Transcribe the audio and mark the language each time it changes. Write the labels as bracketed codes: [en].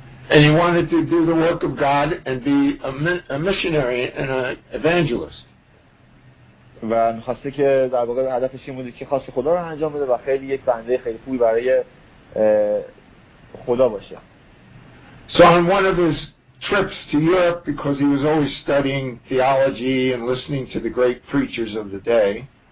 [en] And he wanted to do the work of God and be a missionary and an evangelist. [fa] و می‌خواسته که در واقع هدفش این بوده که خواست خدا رو انجام بده و خیلی یک بنده خیلی خوبی برای خدا باشه. [en] So on one of his trips to Europe because he was always studying theology and listening to the great preachers of the day.